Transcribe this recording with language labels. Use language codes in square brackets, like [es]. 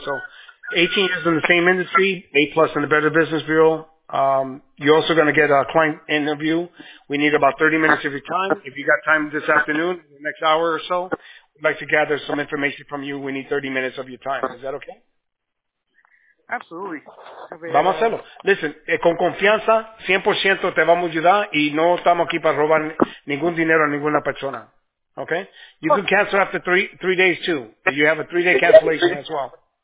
[en] So 18 years in the same industry, A-plus in the Better Business Bureau. You're also going to get a client interview. We need about 30 minutes of your time. If you got time this afternoon, the next hour or so, we'd like to gather some information from you. We need 30 minutes of your time. Is that okay? Absolutely. [es] Vamos a hacerlo. Listen, con confianza, 100% te vamos a ayudar y no estamos aquí para robar ningún dinero a ninguna persona. [en] Okay? You can cancel after three days too. You have a 3-day cancellation as well.